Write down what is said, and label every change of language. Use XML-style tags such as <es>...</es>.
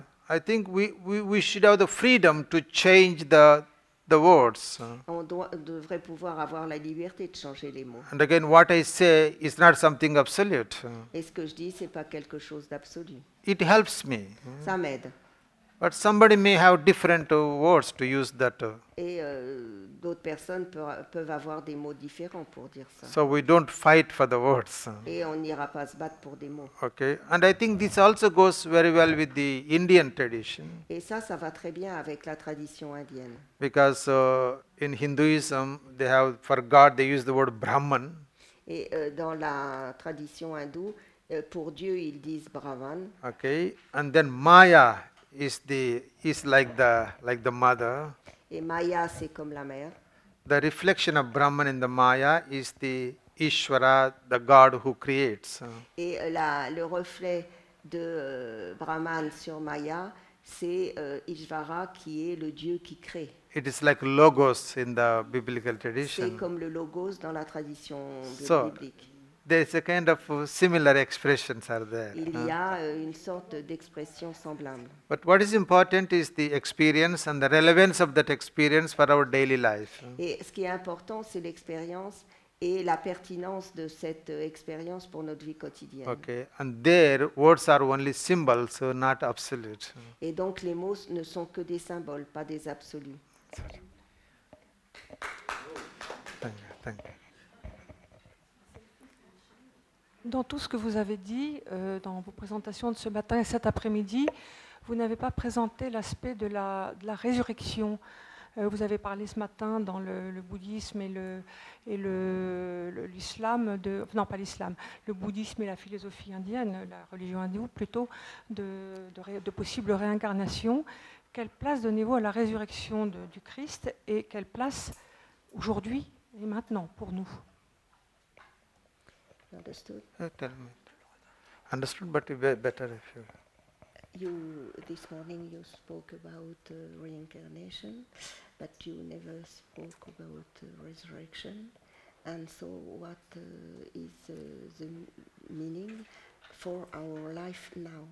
<en>I think we should have the freedom to change the words.</en> <fr>On devrait pouvoir avoir la liberté de changer les mots.</fr> <en>And again, what I say is not something absolute.</en> <fr>Et ce que je dis, c'est pas quelque chose d'absolu.</fr> <en>It helps me.</en> <fr>Ça m'aide.</fr> <en>But somebody may have different words to use that.</en> <fr>Et d'autres personnes peuvent avoir des mots différents pour dire ça.</fr> <en>So we don't fight for the words.</en> <fr>Et on n'ira pas se battre pour des mots.</fr> <en>Okay, and I think this also goes very well with the Indian tradition.</en> <fr>Et ça va très bien avec la tradition indienne.</fr> <en>Because in Hinduism, they have for God they use the word Brahman.</en> <fr>Et dans la tradition hindoue, pour Dieu ils disent Brahman.</fr> <en>Okay, and then Maya. Is like the mother.</en> <fr>Et Maya, c'est comme la mère.</fr> <en>The reflection of Brahman in the Maya is the Ishvara, the God who creates.</en> <fr>Et la, le reflet de Brahman sur Maya, c'est Ishvara qui est le Dieu qui crée.</fr> <en>It is like logos in the biblical tradition.</en> <fr>C'est comme le logos dans la tradition biblique.</fr> <en>There's a kind of similar expressions are there.</en> <fr>Il y a une sorte d'expression semblable.</fr> <en>But what is important is the experience and the relevance of that experience for our daily life.</en> <fr>Et ce qui est important, c'est l'expérience et la pertinence de cette expérience pour notre vie quotidienne.</fr> <en>Okay, and there words are only symbols, so not absolute.</en> <fr>Et donc les mots ne sont que des symboles, pas des absolus.</fr> <en>Thank you. Thank you.</en> <fr>Dans tout ce que vous avez dit, dans vos présentations de ce matin et cet après-midi, vous n'avez pas présenté l'aspect de la résurrection. Vous avez parlé ce matin dans le bouddhisme et, l'islam, de, non pas l'islam, le bouddhisme et la philosophie indienne, la religion hindoue plutôt, de possible réincarnation. Quelle place donnez-vous à la résurrection du Christ et quelle place aujourd'hui et maintenant pour nous ?</fr> <en>Understood. Tell me. Understood, but better if you. You this morning you spoke about reincarnation, but you never spoke about resurrection. And so, what is the meaning for our life now?</en>